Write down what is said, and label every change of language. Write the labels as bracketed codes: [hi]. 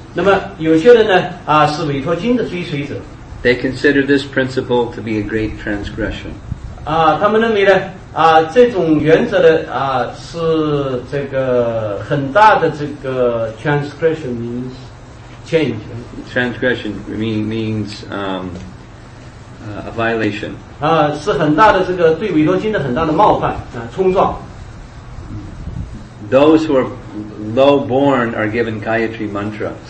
[zh] 那么有些人呢，是委托经的追随者。 [en] They consider this principle to be a great transgression. [zh] 他们认为呢，这种原则呢，是这个很大的这个 [en] transgression means change. Transgression means a violation. [zh] 是很大的这个对委托经的很大的冒犯，冲撞。 [en] Those who are low born are given Gayatri Mantra.